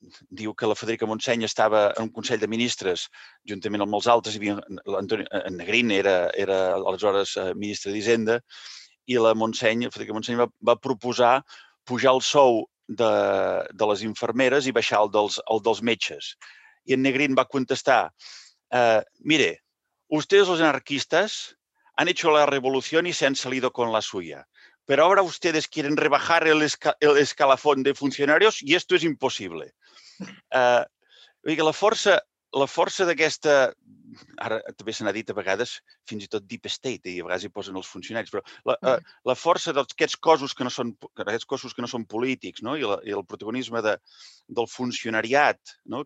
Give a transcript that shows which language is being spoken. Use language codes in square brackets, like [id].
[ca] Diu que la Federica Montseny estava en un Consell de Ministres, juntament amb els altres, en Negrín era aleshores ministre d'Hisenda, i la Montseny, la Federica Montseny, va proposar pujar el sou de les infermeres i baixar el dels metges. I en Negrín va contestar, [es] mire, ustedes los anarquistas han hecho la revolución y se han salido con la suya. Pero ahora ustedes quieren rebajar el escalafón de funcionarios y esto es imposible. [ca] La força d'aquesta, ara també se n'ha dit a vegades, fins i tot deep state, i a vegades hi posen els funcionaris, però la força d'aquests cossos que no són, polítics, no? I el protagonisme del funcionariat, no?